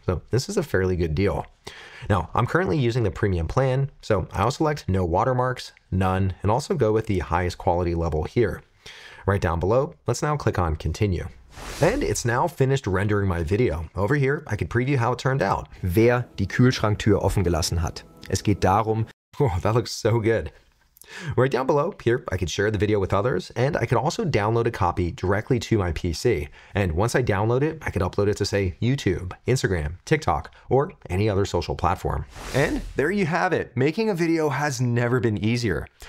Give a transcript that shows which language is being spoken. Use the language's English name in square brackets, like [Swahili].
[English] So this is a fairly good deal. Now, I'm currently using the premium plan, so I'll select no watermarks, none, and also go with the highest quality level here. Right down below, let's now click on continue. And it's now finished rendering my video. Over here, I can preview how it turned out. [German] Wer die Kühlschranktür offen gelassen hat. Es geht darum. [English] Oh, that looks so good. Right down below, here, I can share the video with others, and I can also download a copy directly to my PC. And once I download it, I can upload it to, say, YouTube, Instagram, TikTok, or any other social platform. And there you have it. Making a video has never been easier.